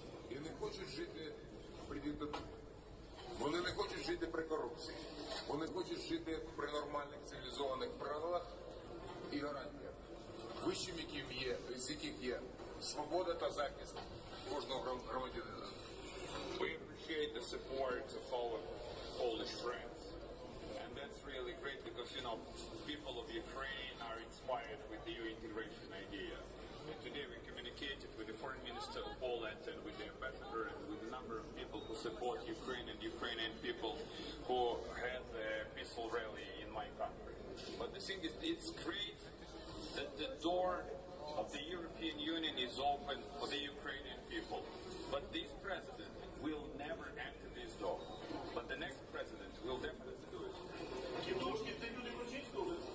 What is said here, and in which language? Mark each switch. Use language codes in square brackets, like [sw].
[uk] І не хочуть жити при диктатурі. Вони не хочуть жити при корупції. Вони хочуть жити при нормальних цивілізованих правилах і гарантіях. Вищим, яким є, з яких є свобода та захист кожного громадянина. [en] We appreciate the support of our Polish friends. And that's really great because, you know, people of Ukraine are inspired with the EU integration idea. And today we communicated with the foreign minister of Poland and with the ambassador and with a number of people who support Ukraine and Ukrainian people who had a peaceful rally in my country. But the thing is, it's great that the door of the European Union is open for the Ukrainian people. But this president will never enter this door. But the next president will definitely do it. [uk] Тітушки – це люди російського?